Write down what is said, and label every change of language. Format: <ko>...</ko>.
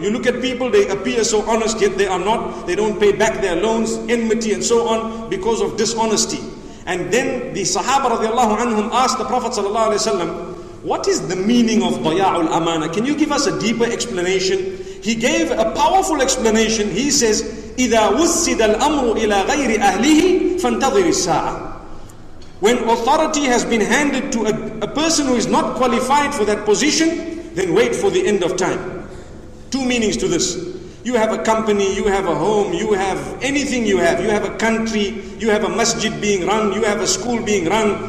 <en>You look at people, they appear so honest, yet they are not. They don't pay back their loans, enmity and so on, because of dishonesty. And then the Sahaba radiallahu anhum asked the Prophet sallallahu alayhi wa sallam, what is the meaning of daya'ul amana? Can you give us a deeper explanation? He gave a powerful explanation. He says,</en> <ar>إِذَا وُسِّدَ الْأَمْرُ إِلَى غَيْرِ أَهْلِهِ فَانْتَظِرِ السَّاعَةِ.</ar> <en>When authority has been handed to a person who is not qualified for that position, then wait for the end of time. Two meanings to this. You have a company, you have a home, you have anything you have. You have a country, you have a masjid being run, you have a school being run.</en>